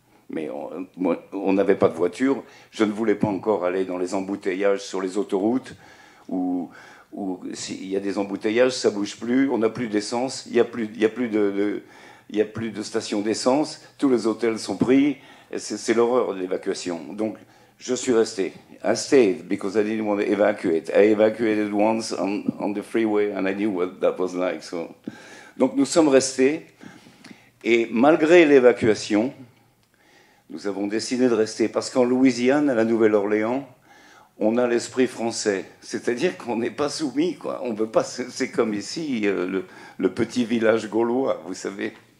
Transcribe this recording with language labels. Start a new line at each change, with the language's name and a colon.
French: Mais on n'avait pas de voiture, je ne voulais pas encore aller dans les embouteillages sur les autoroutes, où s'il y a des embouteillages, ça ne bouge plus, on n'a plus d'essence, il n'y a plus de station d'essence, tous les hôtels sont pris, et c'est l'horreur de l'évacuation. Donc je suis resté.
English: I stayed because I didn't want to evacuate. I evacuated once on the freeway and I knew what that was like. So.
French: Donc nous sommes restés, et malgré l'évacuation, nous avons décidé de rester parce qu'en Louisiane, à la Nouvelle-Orléans, on a l'esprit français. C'est-à-dire qu'on n'est pas soumis, quoi. On veut pas. C'est comme ici, le petit village gaulois, vous savez.